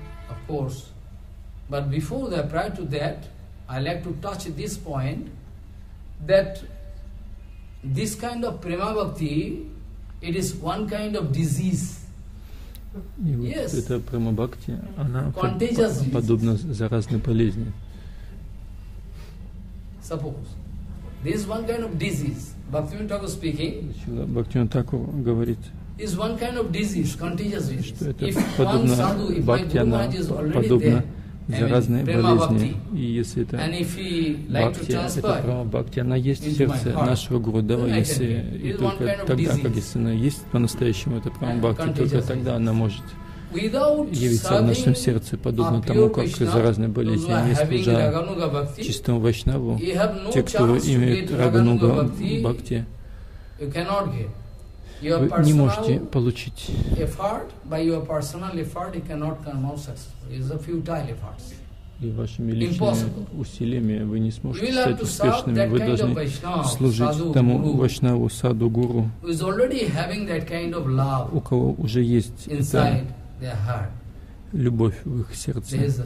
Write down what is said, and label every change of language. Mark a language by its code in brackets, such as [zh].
[en] Of course, but before that, prior to that, I like to touch this point that this kind of prema bhakti, it is one kind of disease. [ru] И yes, вот это према бхакти, она подобна заразной болезни. [en] Suppose this is one kind of disease. Bhaktivinoda Thakur speaking. [ru] Bhaktivinoda Thakur говорит. [en] Is one kind of disease, contagious disease. [ru] Что это if подобно бхакти, она подобна заразной болезни. И если это бхакти, это прама бхакти, она есть в сердце нашего Гурудева, если и только тогда, как если она есть по-настоящему, это прама бхакти, только тогда она может явиться в нашем сердце, подобно тому, как заразная болезнь. Не служа чистому вайшнаву, те, кто имеет рагануга бхакти, вы не можете получить [en] effort, by your personal effort, you cannot come out successful. It's a futile effort. [ru] И вашими личными усилиями вы не сможете стать успешными. Вы должны служить тому вайшнаву саду гуру, у кого уже есть эта любовь в их сердце.